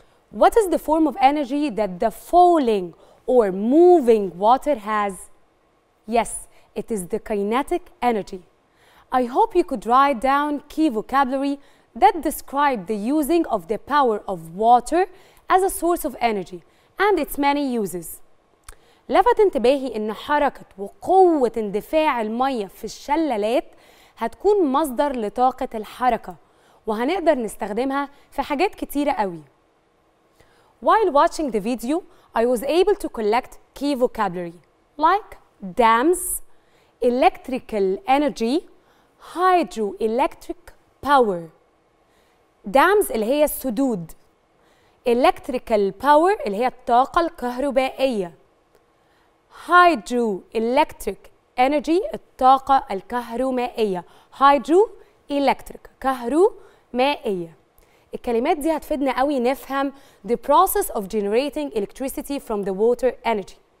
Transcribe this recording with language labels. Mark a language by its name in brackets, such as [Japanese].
[English] What is the form of energy that the falling or moving water has? Yes, it is the kinetic energy. I hope you could write down key vocabulary that describe the using of the power of water as a source of energy and its many uses. [Arabic] لفت انتباهي ان حركة وقوة اندفاع المية في الشلالات هتكون مصدر لطاقة الحركة وهنقدر نستخدمها في حاجات كتيرة قوي. [English] While watching the video, I was able to collect key vocabulary like dams, electrical energy, hydroelectric power. [Arabic] Dams اللي هي السدود. Electrical power اللي هي الطاقة الكهربائية. Hydroelectric energy الطاقة الكهرومائية. Hydroelectric كهرو مائية. الكلمات دي هتفيدنا قوي نفهم [English] the process of generating electricity from the water energy.